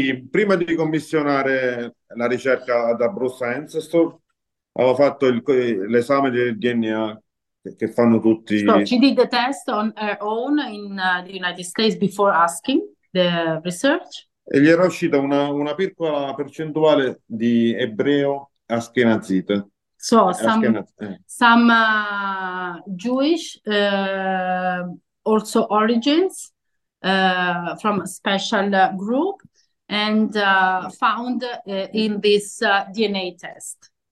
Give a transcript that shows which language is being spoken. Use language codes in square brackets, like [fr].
[it] prima di commissionare la ricerca ad Abruzzo Ancestor, aveva fatto l'esame del DNA che fanno [en] So [it] tutti. [en] she did the test on her own in the United States before asking. The research. [it] E gli era uscita una piccola percentuale di ebreo Ashkenazite. [en] So Ashkenaz some Jewish also origins from a special group and found in this DNA test.